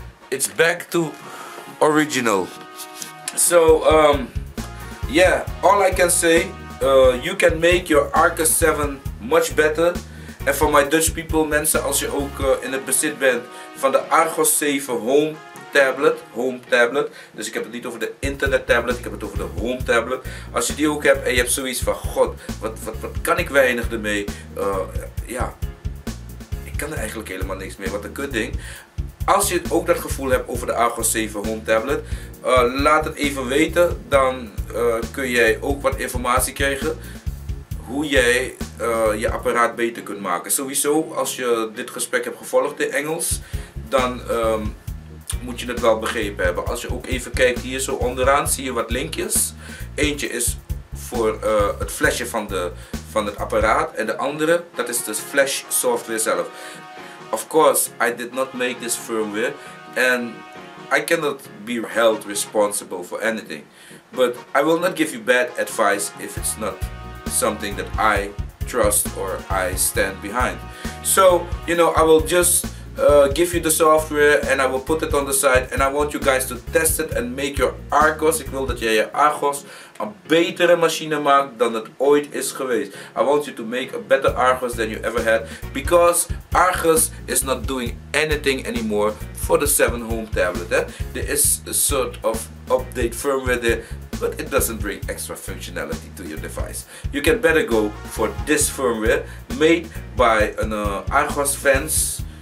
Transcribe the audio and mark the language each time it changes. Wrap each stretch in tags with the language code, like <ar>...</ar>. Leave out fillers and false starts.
<en>It's back to original. So yeah, all I can say, you can make your Archos 7 much better.</en> <nl>En voor mijn</nl> <en>Dutch people,</en> <nl>mensen, als je ook in het bezit bent van de Archos 7 Home Tablet, dus ik heb het niet over de internet tablet, ik heb het over de Home Tablet. Als je die ook hebt en je hebt zoiets van, god, wat kan ik weinig ermee? Ja, ik kan er eigenlijk helemaal niks mee, wat een kut ding. Als je ook dat gevoel hebt over de Archos 7 Home Tablet, laat het even weten, dan kun jij ook wat informatie krijgen. Hoe jij je apparaat beter kunt maken. Sowieso, als je dit gesprek hebt gevolgd in Engels, dan moet je het wel begrepen hebben. Als je ook even kijkt hier zo onderaan, zie je wat linkjes. Eentje is voor het flashje van het apparaat en de andere, dat is de flash software zelf.</nl> <en>Of course, I did not make this firmware and I cannot be held responsible for anything. But I will not give you bad advice if it's not something that I trust or I stand behind. So, you know, I will just give you the software and I will put it on the side and I want you guys to test it and make your Archos.</en> <nl>Ik wil dat jij je Archos een betere machine maakt dan het ooit is geweest.</nl> <en>I want you to make a better Archos than you ever had, because Archos is not doing anything anymore for the 7 Home Tablet. Eh? There is a sort of update firmware there, but it doesn't bring extra functionality to your device. You can better go for this firmware made by an Archos fans.</en>